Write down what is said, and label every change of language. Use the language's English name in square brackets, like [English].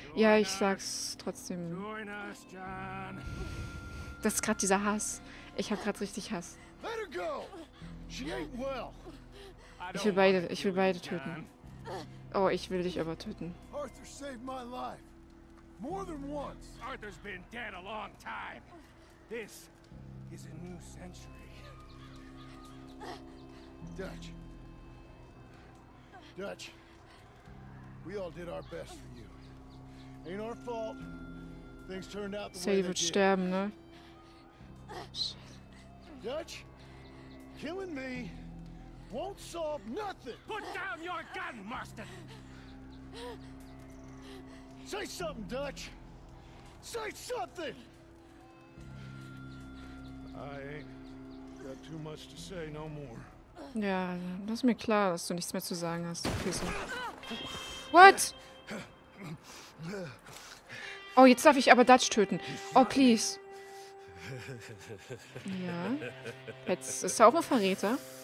[German] Ja, ich sag's trotzdem. [English] Join us, John. [German] Das ist gerade dieser Hass. Ich hab gerade richtig Hass. [English] Let her go. She ain't well. [German] Ich will beide töten. Oh, ich will dich aber töten. [English] Arthur saved my life. More than once. Arthur's been dead a long time. This is a new century. Dutch. Dutch. We all did our best for you. Ain't our fault. Things turned out the way they did. [German] Sterben, ne? [English] Dutch. Killing me won't solve nothing. Put down your gun, Marston. Say something, Dutch. Say something. I ain't got too much to say no more. [German] Ja, das ist mir klar, dass du nichts mehr zu sagen hast. Pisse. What? Oh, jetzt darf ich aber Dutch töten. [English] Oh, please. [German] Ja. Jetzt ist er auch ein Verräter.